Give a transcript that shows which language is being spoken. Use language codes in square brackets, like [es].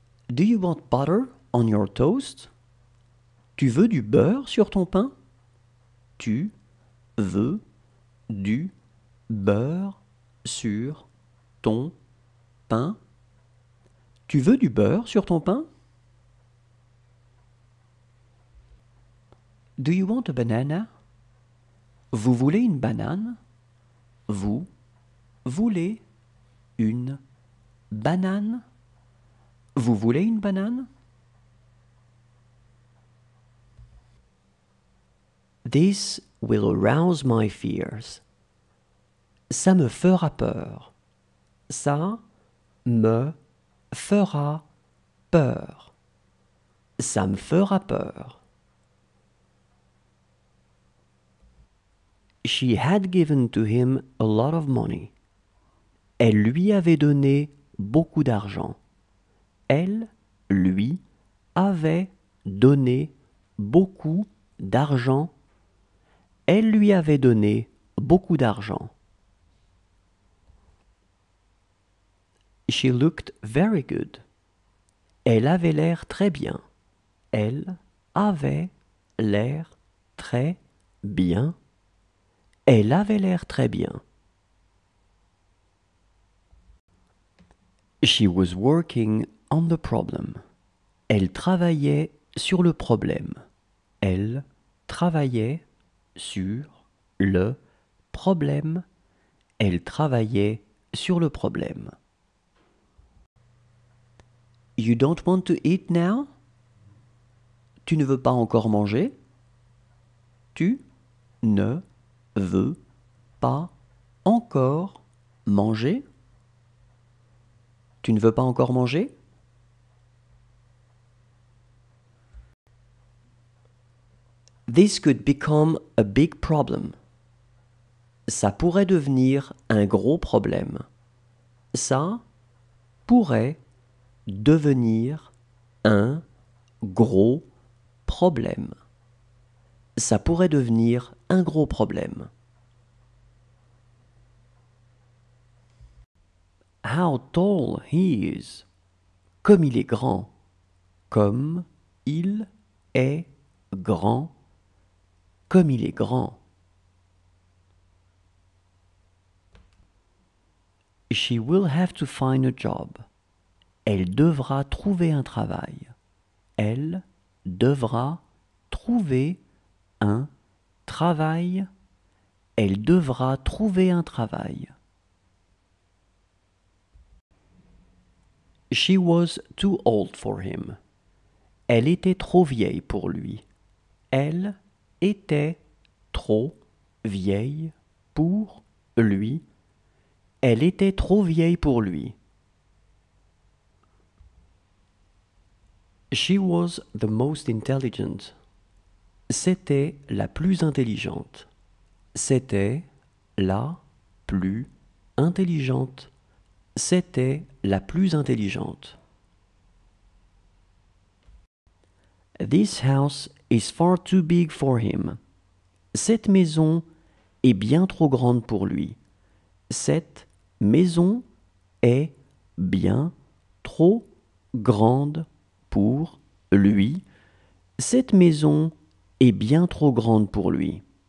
[en] Do you want butter on your toast? [fr] Tu veux du beurre sur ton pain? Tu veux du beurre sur ton pain? Tu veux du beurre sur ton pain? [en] Do you want a banana? [fr] Vous voulez une banane? Vous voulez une banane? Vous voulez une banane? [en] This will arouse my fears. [fr] Ça me fera peur. Ça me fera peur. Ça me fera peur. [en] She had given to him a lot of money. [fr] Elle lui avait donné beaucoup d'argent. Elle lui avait donné beaucoup d'argent. Elle lui avait donné beaucoup d'argent. [en] She looked very good. [fr] Elle avait l'air très bien. Elle avait l'air très bien. Elle avait l'air très bien. [en] She was working on the problem. [fr] Elle travaillait sur le problème. Elle travaillait sur le problème. Elle travaillait sur le problème. [en] You don't want to eat now? [fr] Tu ne veux pas encore manger? Tu ne veux pas encore manger? Tu ne veux pas encore manger? [en] This could become a big problem. [fr] Ça pourrait devenir un gros problème. Ça pourrait devenir un gros problème. Ça pourrait devenir un gros problème. [en] How tall he is. [fr] Comme il est grand. Comme il est grand. Comme il est grand. [en] She will have to find a job. [fr] Elle devra trouver un travail. Elle devra trouver un travail. Elle devra trouver un travail. [en] She was too old for him. [fr] Elle était trop vieille pour lui. Elle était trop vieille pour lui. Elle était trop vieille pour lui. [en] She was the most intelligent. [fr] C'était la plus intelligente. C'était la plus intelligente. C'était la plus intelligente. [en] This house is far too big for him. [fr] Cette maison est bien trop grande pour lui. Cette maison est bien trop grande pour lui. Cette maison est bien trop grande pour lui.